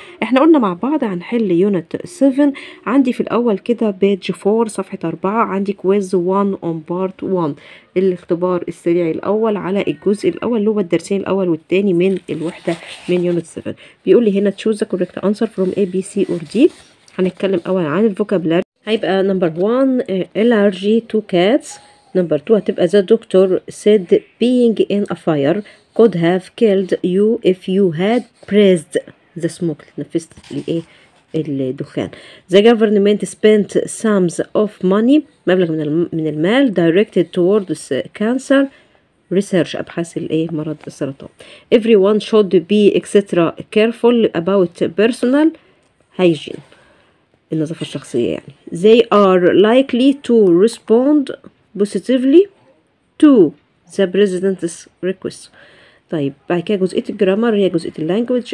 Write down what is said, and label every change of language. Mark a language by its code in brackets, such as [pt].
[ar] احنا قلنا مع بعض هنحل يونت 7. عندي في الأول كده بيج 4 صفحة 4 عندي كويز 1 on بارت 1 الاختبار السريع الأول على الجزء الأول اللي هو الدرسين الأول والتاني من الوحدة من يونت 7. بيقول لي هنا [en] choose the correct answer from A, B, C or D. [ar] هنتكلم أول عن الفوكابلاري. هيبقى [en] number 1 allergy to cats. number 2 [ar] هتبقى [en] the doctor said being in a fire could have killed you if you had breathed the smoke. [ar] اللي تنفست لإيه الدخان. [en] The government spent sums of money [ar] مبلغ من المال [en] directed towards cancer research [ar] أبحاث الايه مرض السرطان. [en] Everyone should be etc. careful about personal hygiene [ar] النظافة الشخصية يعني. [en] They are likely to respond positively to the president's request. [ar] طيب بعد كده جزئية الجرامر هي جزئية اللانجوج.